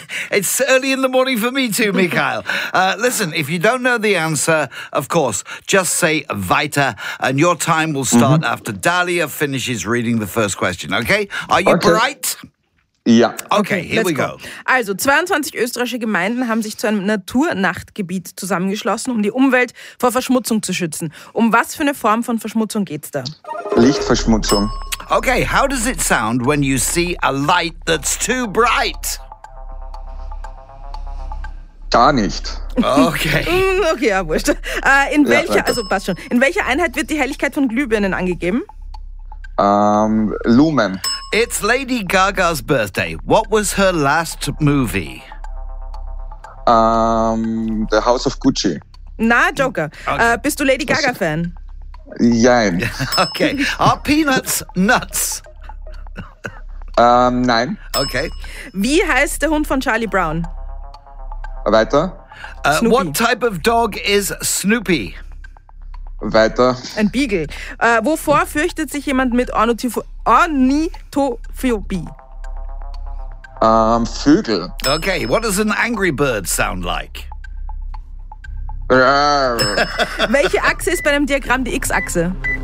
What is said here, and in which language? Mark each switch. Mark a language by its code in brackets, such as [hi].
[en] it's early in the morning for me too, Michael. Listen, if you don't know the answer, of course, just say weiter, and your time will start after Dahlia finishes reading the first question, okay? Are you bereit? [de] Ja. [en] Okay, here we go. [de] Also, 22 österreichische Gemeinden haben sich zu einem Naturnachtgebiet zusammengeschlossen, um die Umwelt vor Verschmutzung zu schützen. Um was für eine Form von Verschmutzung geht's da? Lichtverschmutzung. [en] Okay, how does it sound when you see a light that's too bright? [de] Gar nicht. Okay. Okay, ja, wurscht. In welcher, also passt schon. In welcher Einheit wird die Helligkeit von Glühbirnen angegeben? Lumen. [en] It's Lady Gaga's birthday. What was her last movie? The House of Gucci. [de] Na, Joker. Okay. Bist du Lady Gaga Fan? Jein. [en] Okay. Are Peanuts nuts? [de] Nein. Okay. Wie heißt der Hund von Charlie Brown? Weiter. [en] Snoopy. What type of dog is Snoopy? [de] Weiter. Ein Beagle. Wovor fürchtet sich jemand mit Ornithophobie? Vögel. [en] Okay, what does an angry bird sound like? [de] Welche Achse ist bei einem Diagramm die X-Achse?